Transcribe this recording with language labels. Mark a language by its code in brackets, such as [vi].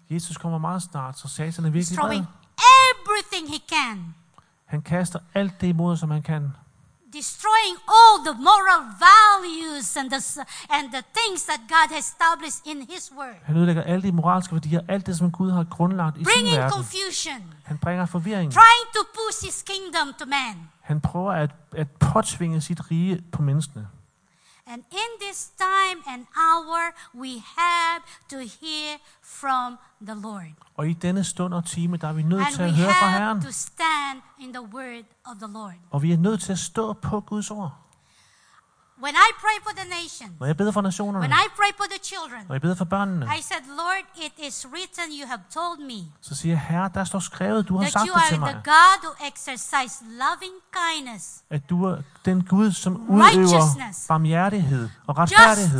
[da] Jesus kommer meget snart, så Satan er virkelig vred. [en] Throwing everything he can. [da] Han kaster alt det imod, som han kan. [en] Destroying all the moral values and the things that God has established in His Word. [da] Han ødelægger alle de moralske værdier, alt det som Gud har grundlagt i [en] bringing [da] sin verden. [en] Confusion. [da] Han bringer forvirring. [en] Trying to push His kingdom to man. [da] Han prøver at påtvinge sit rige på menneskene. [en] And in this time and hour, we have to hear from the Lord. [da] Og i denne stund og time, der er vi nødt til at høre fra Herren. [en] And we have to stand in the word of the Lord. [da] Og vi er nødt til at stå på Guds ord. [en] When I pray for the nations, [da] når jeg beder for nationerne, [en] when I pray for the children, [da] når jeg beder for børnene, [en] I said, Lord, it is written, you have told me. [da] Så siger jeg, Herre, der står skrevet, du har sagt det til mig. [en] That you are the God who exercises loving kindness. [da] At du er den Gud, som udøver barmhjertighed og retfærdighed.